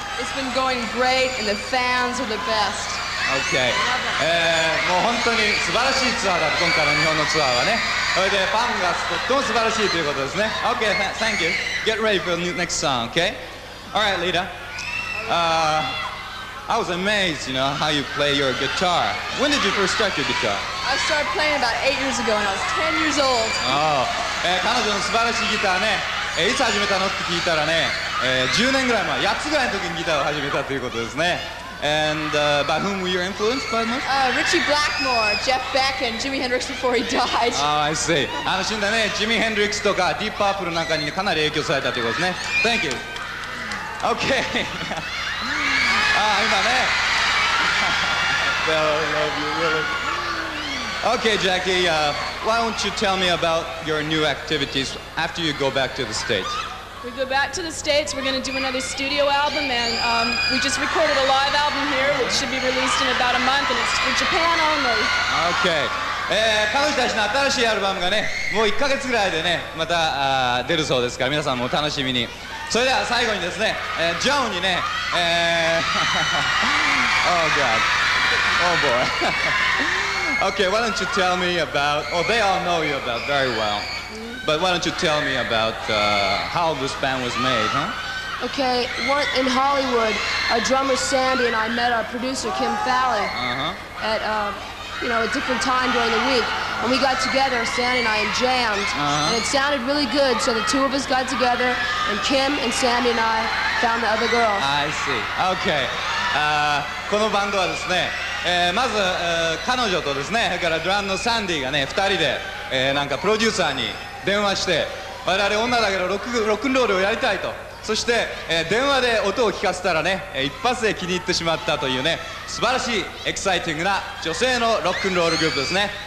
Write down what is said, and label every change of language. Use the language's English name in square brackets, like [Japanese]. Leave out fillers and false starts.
[English] It's been going great and the fans are the best. Okay. [Japanese] もう本当に素晴らしいツアーだ、今回の日本のツアーはね。それでファンがとっても素晴らしいということですね。 [English] Okay, thank you. Get ready for the next song, okay? Alright, Lita. I was amazed, you know, how you play your guitar. When did you first start your guitar? I started playing about 8 years ago and I was 10 years old. [Japanese] Oh, 彼女の素晴らしいギターね、いつ始めたのって聞いたらね、10年ぐらい前、8つぐらいの時にギターを始めたということですね。 [English] And by whom were you influenced by most? Richie Blackmore, Jeff Beck, and Jimi Hendrix before he died. Oh, I see. [Japanese] あの、死んだね、Jimi Hendrix とか Deep Purple なんかにかなり影響されたということですね。 [English] Thank you. Okay. I'm not there. I love you, really. Okay, Jackie, why don't you tell me about your new activities after you go back to the States? We go back to the States, we're going to do another studio album, and we just recorded a live album here, which should be released in about a month, and it's for Japan only. Okay. [Japanese] 彼女たちの新しいアルバムがね、もう1ヶ月ぐらいでね、また出るそうですから、皆さんも楽しみに。それでは最後にですね、ジョーンにね、 [English] Oh God, oh boy. Okay, why don't you tell me about, oh, they all know you about very well, but why don't you tell me about how this band was made, huh? Okay, one, in Hollywood, our drummer Sandy and I met our producer Kim Fowley、uh-huh. at, you know, a different time during the week. And we got together, Sandy and I, and jammed.、Uh-huh. And it sounded really good, so the two of us got together, and Kim and Sandy and I found the other girl. I see. Okay. [Japanese] このバンドはですね、まず、彼女とですね、それからドラムのサンディがね、二人で、なんかプロデューサーに電話して、我々女だけどロックンロールをやりたいと。そして、電話で音を聞かせたらね、一発で気に入ってしまったというね、素晴らしいエキサイティングな女性のロックンロールグループですね。